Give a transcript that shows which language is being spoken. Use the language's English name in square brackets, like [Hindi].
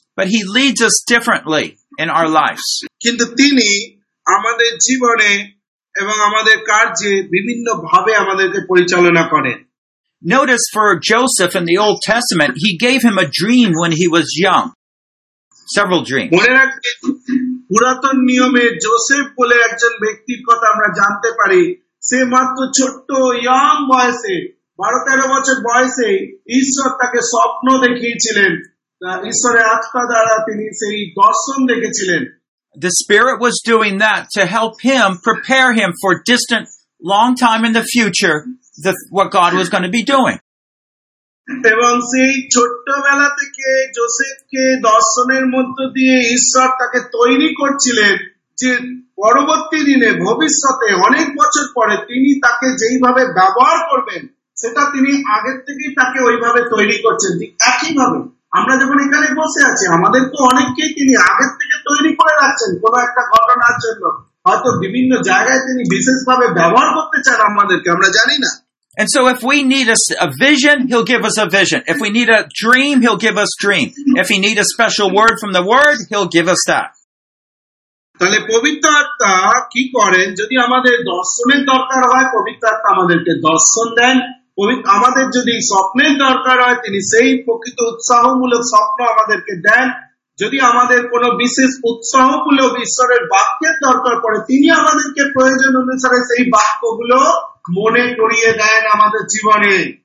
[English] But he leads us differently in our lives. [Bangla] কিন্তু তিনি আমাদের জীবনে এবং আমাদের কার্যে বিভিন্ন ভাবে আমাদেরকে পরিচালনা করেন। [English] Notice for Joseph in the Old Testament, he gave him a dream when he was young. Several dreams. [Bangla] মনে রাখবেন, পুরাতন নিয়মে জোসেফ বলে একজন ব্যক্তির কথা আমরা জানতে পারি, সে মাত্র ছোট্ট ইয়াং বয়সে, 12-13 বছর বয়সে ঈশ্বর তাকে স্বপ্ন দেখিয়েছিলেন, ঈশ্বরের আত্মা দ্বারা তিনি সেই দর্শন দেখেছিলেন। [English] The Spirit was doing that to help him, prepare him for distant, long time in the future, what God was going to be doing. [Bangla] এবং সেই ছোট্টবেলা থেকে জোসেফকে দর্শনের মধ্য দিয়ে ঈশ্বর তাকে তৈরি করছিলেন যে পরবর্তী দিনে, ভবিষ্যতে, অনেক বছর পরে তিনি তাকে যেইভাবে ব্যবহার করবেন সেটা তিনি আগের থেকেই তাকে ওইভাবে তৈরি করছেন। একইভাবে আমরা যখন এখানে বসে আছি, আমাদের তো অনেককেই তিনি আগের থেকে তৈরি করে রাখছেন কোনো একটা ঘটনার জন্য, হয়তো বিভিন্ন জায়গায় তিনি বিশেষভাবে ব্যবহার করতে চান আমাদেরকে, আমরা জানি না। [English] And so if we need a vision, he'll give us a vision. If we need a dream, he'll give us dream. If he need a special word from the word, he'll give us that. [Bangla] তাহলে পবিত্র আত্মা কি করেন? যদি আমাদের দর্শনের দরকার হয়, পবিত্র আত্মা আমাদেরকে দর্শন দেন। আমাদের যদি স্বপ্নের দরকার হয়, তিনি সেই প্রকৃত উৎসাহমূলক স্বপ্ন আমাদেরকে দেন। যদি আমাদের কোনো বিশেষ উৎসাহমূলক ঈশ্বরের বাক্যের দরকার পড়ে, তিনি আমাদেরকে প্রয়োজন অনুসারে সেই বাক্যগুলো মনে করিয়ে দেন আমাদের জীবনে।